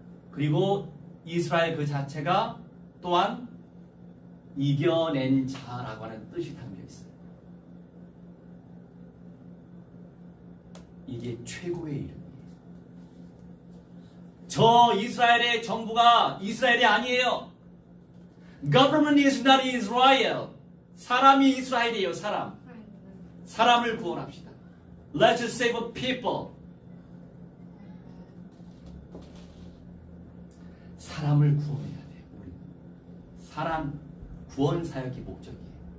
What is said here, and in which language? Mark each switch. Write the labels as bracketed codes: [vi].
[ko] 그리고 이스라엘 그 자체가 또한 이겨낸 자라고 하는 뜻이 담겨 있어요. 이게 최고의 이름이에요. 저 이스라엘의 정부가 이스라엘이 아니에요. [en] Government is not Israel. [ko] 사람이 이스라엘이에요. 사람. 사람을 구원합시다. [en] Let's save a people. [ko] 사람을 구원해야 돼요. 우리. 사람 구원사역이 목적이에요.